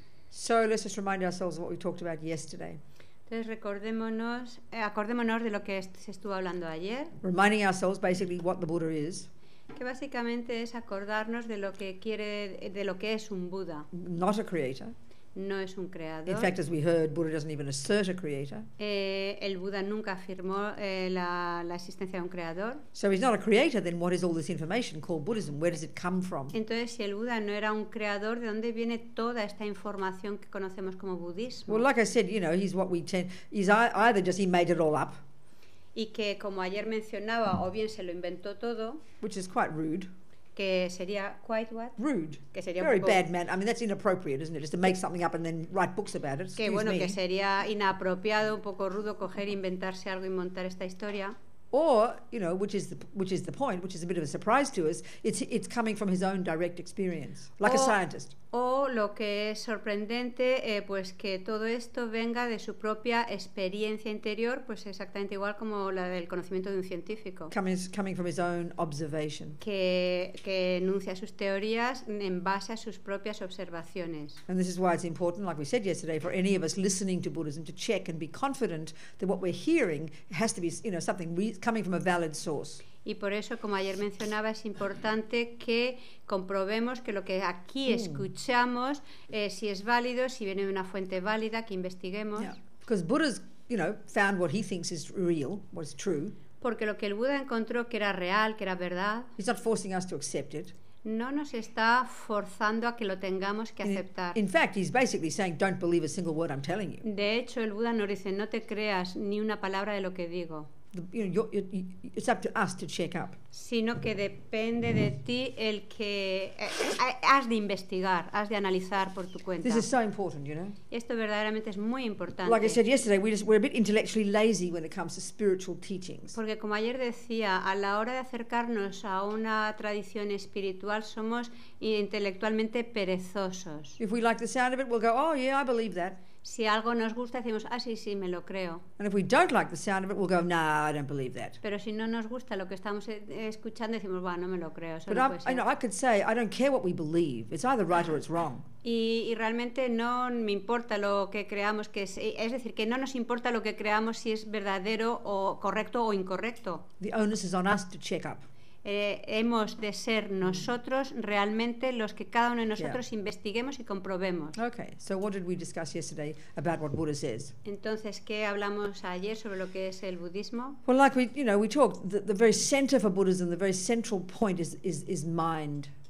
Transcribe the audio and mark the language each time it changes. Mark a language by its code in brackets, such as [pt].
[en] So let's just remind ourselves of what we talked about yesterday. [es] Entonces acordémonos de lo que se estuvo hablando ayer. [en] Reminding ourselves basically what the Buddha is. [es] Que básicamente es acordarnos de lo que quiere, de lo que es un Buda. [en] Not a creator. [es] No es un creador. [en] In fact, as we heard, Buddha doesn't even assert a creator. [es] El Buda nunca afirmó la existencia de un creador. [en] So if he's not a creator, then what is all this information called Buddhism? Where does it come from? [es] Entonces, si el Buda no era un creador, ¿de dónde viene toda esta información que conocemos como budismo? [en] Well, like I said, you know, he's what we tend. He's either just he made it all up. [es] Y que, como ayer mencionaba, o bien se lo inventó todo. [en] Which is quite rude. [es] Que sería [en] quite what? Rude. [es] Que sería [en] very [es] poco, [en] bad man. I mean, that's inappropriate, isn't it? Just to make something up and then write books about it. [es] Que bueno, me. Que sería inapropiado, un poco rudo, coger, inventarse algo y montar esta historia. [en] Or, you know, which is the point, which is a bit of a surprise to us, it's coming from his own direct experience, like a scientist. [es] O lo que es sorprendente, pues que todo esto venga de su propia experiencia interior, pues exactamente igual como la del conocimiento de un científico. [en] Coming from his own observation. [es] Que enuncia sus teorías en base a sus propias observaciones. [en] And this is why it's important, like we said yesterday, for any of us listening to Buddhism to check and be confident that what we're hearing has to be, you know, something coming from a valid source. [es] Y por eso, como ayer mencionaba, es importante que comprobemos que lo que aquí escuchamos, si es válido, si viene de una fuente válida, que investiguemos. [en] Yeah. Because Buddha's, you know, found what he thinks is real, what's true. [es] Porque lo que el Buda encontró que era real, que era verdad. [en] He's not forcing us to accept it. [es] No nos está forzando a que lo tengamos que aceptar. [en] In fact, he's basically saying, don't believe a single word I'm telling you. [es] De hecho, el Buda nos dice, no te creas ni una palabra de lo que digo. [en] It's up to us to check up. [es] Sino que depende de ti el que has de investigar, has de analizar por tu cuenta. [en] This is so important, you know. [es] Esto verdaderamente es muy importante. [en] Like I said yesterday, we're a bit intellectually lazy when it comes to spiritual teachings. [es] Porque como ayer decía, a la hora de acercarnos a una tradición espiritual, somos intelectualmente perezosos. [en] If we like the sound of it, we'll go, oh yeah, I believe that. [es] Si algo nos gusta, decimos, ah, sí, sí, me lo creo. [en] And if we don't like the sound of it, we'll go, nah, I don't believe that. [es] Pero si no nos gusta lo que estamos escuchando, decimos, bueno, no me lo creo. [en] But no, I know, I could say, I don't care what we believe. It's either right or it's wrong. [es] Y realmente no me importa lo que creamos, que es decir, que no nos importa lo que creamos si es verdadero o correcto o incorrecto. [en] The onus is on us to check up. [es] Hemos de ser nosotros realmente los que cada uno de nosotros [en] yeah. [es] investiguemos y comprobemos. [en] Okay, so what did we discuss yesterday about what Buddha says? [es] Entonces, ¿qué hablamos ayer sobre lo que es el budismo? [en] Well, like we talked, the very center for Buddhism, the very central point is mind.